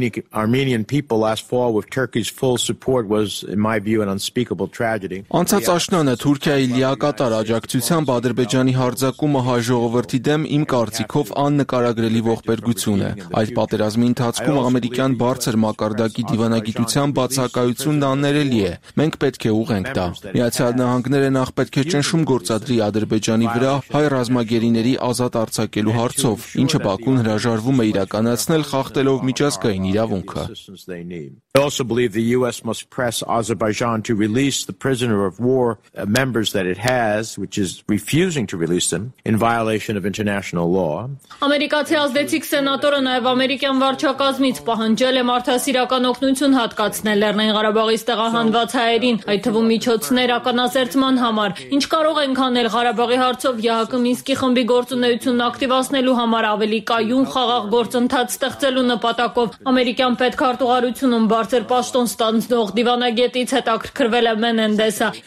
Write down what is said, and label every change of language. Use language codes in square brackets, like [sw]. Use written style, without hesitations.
[en] Armenian people last fall with Turkey's full support was, in my view, an unspeakable tragedy. [hy] Անցած աշնանը Թուրքիայի լիակատար աջակցությամբ Ադրբեջանի հարձակումը հայ ժողովրդի դեմ իմ կարծիքով աննկարագրելի ողբերգություն է։ Այդ պատերազմի ընթացքում ամերիկյան բարձր մակարդակի դիվանագիտության բացակայությունն աններելի է։ Մենք պետք է ուղենք դա։ Միացյալ Նահանգները նախ պետք է ճնշում գործադրի Ադրբեջանի վրա հայ ռազմագերիների ազատ արձակելու հարցով, ինչը Բաքուն հրաժարվում է իրականացնել խախտելով միջազգային իրավունքը։ [en] I also believe the US must press Azerbaijan to release the prisoner of war members that it has, which is refusing to release them in violation of international law. [hy] Ամերիկացի ազդեցիկ սենատորը նաև ամերիկյան վարչակազմից պահանջել է մարդասիրական օգնություն հատկացնել Լեռնային Ղարաբաղի տեղահանված հայերին, այդ թվում միջոցներ ականասերծման համար։ Ինչ կարող ենք անել Ղարաբաղի հարցով ԵԱՀԿ Մինսկի խմբի գործունեությունն ակտիվացնելու համար ավելի կայուն խաղաղ գործընթաց ստեղծելու նպատակով։ Ամերիկյան պետքարտուղարությունում Բարձր պաշտոն ստանձնող դիվանագետից հետաքրքրվել է Մենենդեսը։